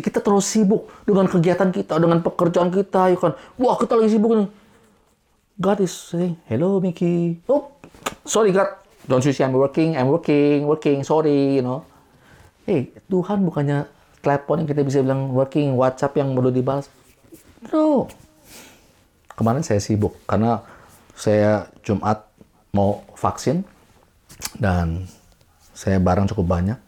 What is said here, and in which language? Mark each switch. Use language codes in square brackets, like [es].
[id] Kita terlalu sibuk dengan kegiatan kita, dengan pekerjaan kita. Ya kan? Wah, kita lagi sibuk. [en] God is saying, hello, Miki. Oh, sorry, God. Don't you see I'm working. Sorry, you know. [id] Hey, Tuhan bukannya telepon yang kita bisa bilang working, WhatsApp yang perlu dibalas. No. Kemarin saya sibuk karena saya Jumat mau vaksin dan saya barang cukup banyak.